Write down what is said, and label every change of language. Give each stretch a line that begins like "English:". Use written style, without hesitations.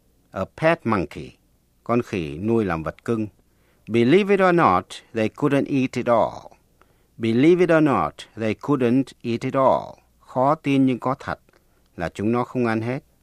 English: A pet monkey,
Vietnamese: con khỉ nuôi làm vật cưng.
English: Believe it or not, they couldn't eat it all. Believe it or not, they couldn't eat it all.
Vietnamese: Khó tin nhưng có thật là chúng nó không ăn hết.